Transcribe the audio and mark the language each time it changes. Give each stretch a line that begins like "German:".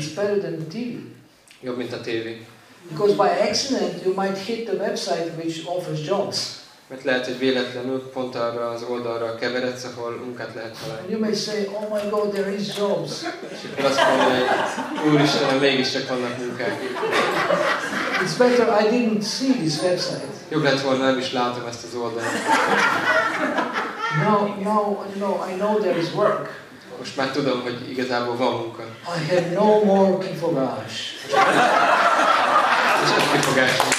English: It's better than the TV.
Hungarian: Jobb, mint a tévé.
English: Because by accident you might hit the website which offers jobs.
Hungarian: Mert lehet, hogy véletlenül pont arra az oldalra keveredsz, ahol munkát lehet találni.
English: You may say, oh my god, there is jobs.
Hungarian: És akkor azt mondja, hogy úristen, mégiscsak vannak munkák.
English: It's better, I didn't see this website.
Hungarian: Jobb lett volna, nem is látom ezt az oldalt.
English: No, I know there is work.
Hungarian: Most már tudom, hogy igazából van munka.
English: I have no more kifogás.
Hungarian: És ez kifogás.